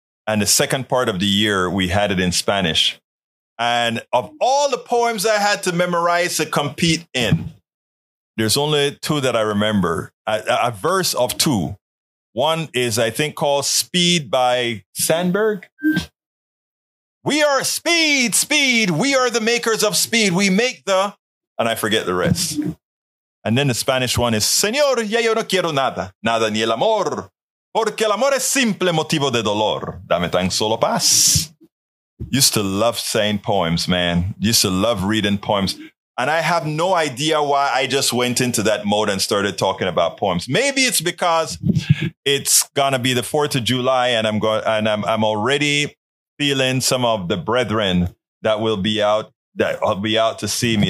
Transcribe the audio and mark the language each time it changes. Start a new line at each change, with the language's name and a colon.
English: And the second part of the year, we had it in Spanish. And of all the poems I had to memorize to compete in, there's only two that I remember, a verse of two. One is, I think, called Speed by Sandberg. We are speed, speed. We are the makers of speed. We make the, and I forget the rest. And then the Spanish one is,
Spanish: Señor, ya yo no quiero nada, nada ni el amor, porque el amor es simple motivo de dolor. Dame tan solo paz.
English: Used to love saying poems, man. Used to love reading poems. And I have no idea why I just went into that mode and started talking about poems. Maybe it's because it's going to be the 4th of July and I'm already feeling some of the brethren that will be out, that will be out to see me.